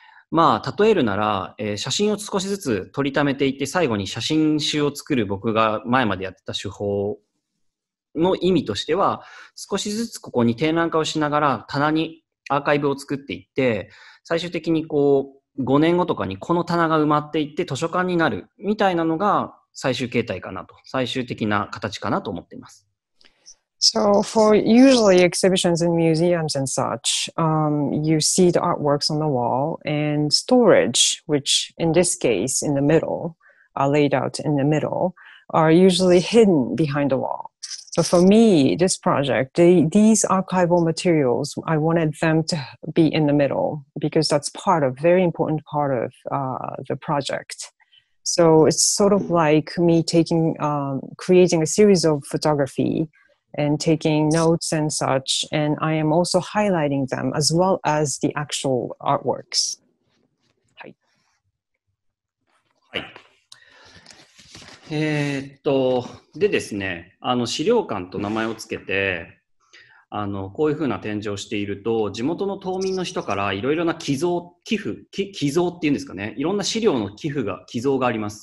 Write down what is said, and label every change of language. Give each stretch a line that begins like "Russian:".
Japanese: まあ、例えるなら、写真を少しずつ撮りためていって、最後に写真集を作る僕が前までやってた手法の意味としては、少しずつここに展覧化をしながら棚にアーカイブを作っていって、最終的にこう、5年後とかにこの棚が埋まっていって図書館になるみたいなのが最終形態かなと、最終的な形かなと思っています。
English: So for usually exhibitions in museums and such, you see the artworks on the wall and storage, which in this case in the middle, are laid out in the middle, are usually hidden behind the wall. But for me, this project, these archival materials, I wanted them to be in the middle because that's part of, very important part of the project. So it's sort of like me taking, creating a series of photography and taking notes and such, and I am also highlighting them as well as the actual artworks.
Japanese: はい。はい。でですね、資料館と名前をつけて、こういうふうな展示をしていると、地元の島民の人からいろいろな寄贈、寄付、寄贈っていうんですかね、いろんな資料の寄付が、寄贈があります。